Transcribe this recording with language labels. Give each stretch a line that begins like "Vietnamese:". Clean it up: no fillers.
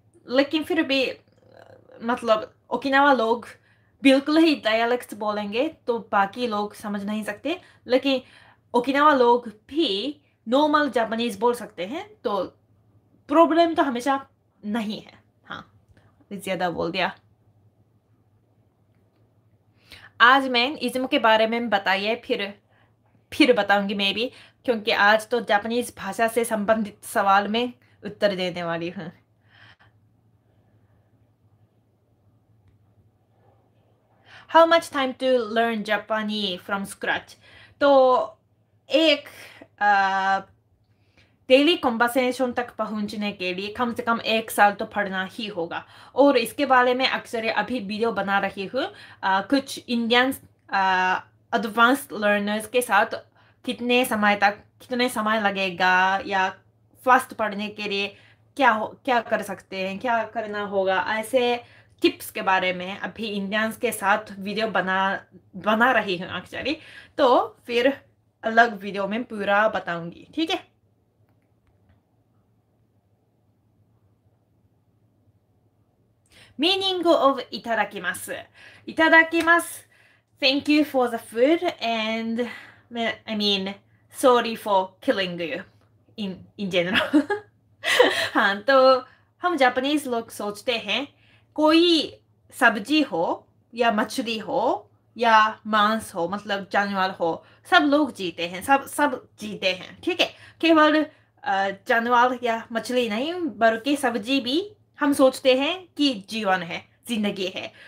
Hindi: Lekin fir bhi matlab Okinawa log bilkul hi dialect bolenge to baki log samajh nahi sakte lekin Okinawa log bhi normal Japanese bol sakte hain to problem to hamesha nahi hai. ज़्यादा बोल दिया. आज मैं ism के बारे में बताइए फिर बताऊंगी मैं भी, क्योंकि आज तो जापानीज़ भाषा से संबंधित सवाल में उत्तर देने वाली हूँ.
English: How much time to learn Japanese from scratch?
Hindi: तो एक डेली कॉन्वर्सेशन तक पहुंचने के लिए कम से कम एक साल तो पढ़ना ही होगा. और इसके बारे में अक्सर अभी वीडियो बना रही हूँ कुछ इंडियन एडवांस्ड लर्नर्स के साथ. कितने समय लगेगा या फास्ट पढ़ने के लिए क्या क्या कर सकते हैं, क्या करना होगा, ऐसे टिप्स के बारे में अभी इंडियन के साथ वीडियो बना रही हूँ अक्सर. तो फिर अलग वीडियो में पूरा बताऊँगी, ठीक है.
English: Meaning of itadakimasu. Itadakimasu. Thank you for the food and I mean sorry for killing you in general.
Hindi: हाँ तो हम जापानीज लोग सोचते हैं कोई सब्जी हो या मछली हो या मांस हो मतलब जानवर हो सब लोग जीते हैं सब जीते हैं ठीक है. केवल जानवर या मछली नहीं बल्कि सब्जी भी हम सोचते हैं कि जीवन है जिंदगी है.